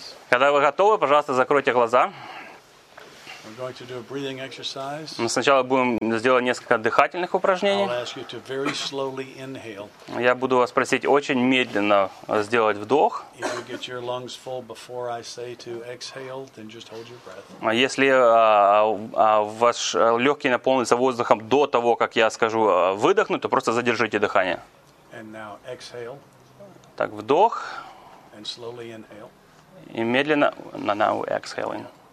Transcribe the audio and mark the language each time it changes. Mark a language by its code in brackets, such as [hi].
[ru] Когда вы готовы, пожалуйста, закройте глаза. [en] We're going to do a breathing exercise. [ru] Мы сначала будем делать несколько дыхательных упражнений. [en] I'll ask you to very slowly inhale. [ru] Я буду вас просить очень медленно сделать вдох. [en] If you get your lungs full before I say to exhale, then just hold your breath. [ru] А если ваш легкий наполнится воздухом до того, как я скажу выдохнуть, то просто задержите дыхание. [en] And now exhale. [ru] Так, вдох. [en] And slowly inhale. [ru] И медленно, [en] now exhaling.